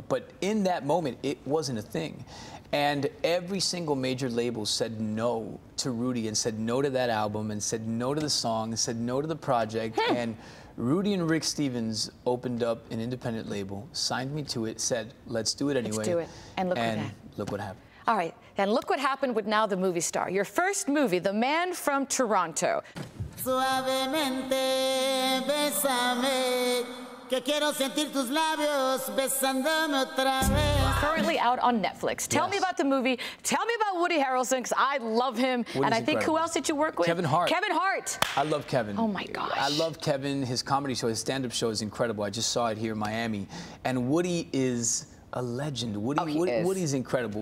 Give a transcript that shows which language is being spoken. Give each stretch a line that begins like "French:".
English: But in that moment, it wasn't a thing. And every single major label said no to Rudy, and said no to that album, and said no to the song, and said no to the project. And Rudy and Rick Stevens opened up an independent label, signed me to it, said, let's do it anyway. Let's do it. And look, and what look what happened. All right. And look what happened with now the movie star. Your first movie, The Man from Toronto.
Spanish: Suavemente, besame, que quiero sentir tus labios besándome otra vez.
English: currently out on Netflix. Tell me about the movie. Tell me about Woody Harrelson, because I love him. Woody's and I think incredible. Who else did you work with? Kevin Hart. Kevin Hart. I love Kevin. Oh, my gosh. I love Kevin. His comedy show, his stand-up show is incredible. I just saw it here in Miami. And Woody is a legend. Woody's incredible.